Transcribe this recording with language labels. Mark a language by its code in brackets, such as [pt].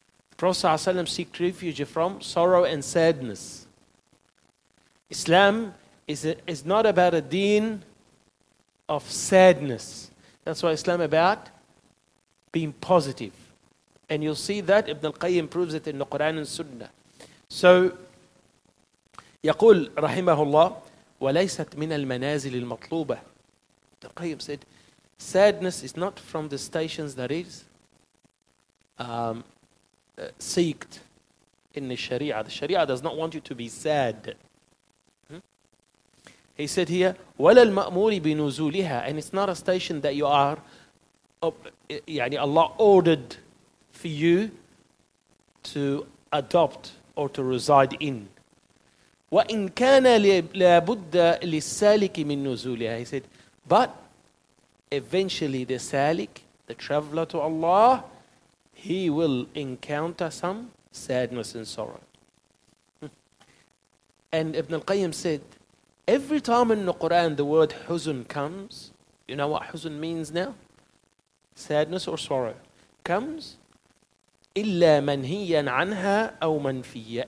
[en] The Prophet sallallahu alayhi wa sallam seeks refuge from sorrow and sadness. Islam is not about a deen of sadness. That's why Islam is about being positive. And you'll see that Ibn al-Qayyim proves it in the Quran and Sunnah. [ar] So, يقول رحمه الله وليست من المنازل المطلوبة. [en] The Qayyim said, sadness is not from the stations that is seeked in the Sharia. The Sharia does not want you to be sad. He said here, [ar] ولا المأمور بنزولها. [en] And it's not a station that you are, يعني Allah ordered for you to adopt or to reside in. [ar] وَإِنْ كَانَ لَابُدَّ لِلسَّالِكِ مِنْ نُزُولِهَا. [en] He said, but eventually the salik, the traveler to Allah, he will encounter some sadness and sorrow. And Ibn al-Qayyim said, every time in the Quran the word huzn comes, you know what huzn means now? Sadness or sorrow. [ar] Comes, إِلَّا مَنْهِيًّا عَنْهَا أَوْ مَنْفِيًّا.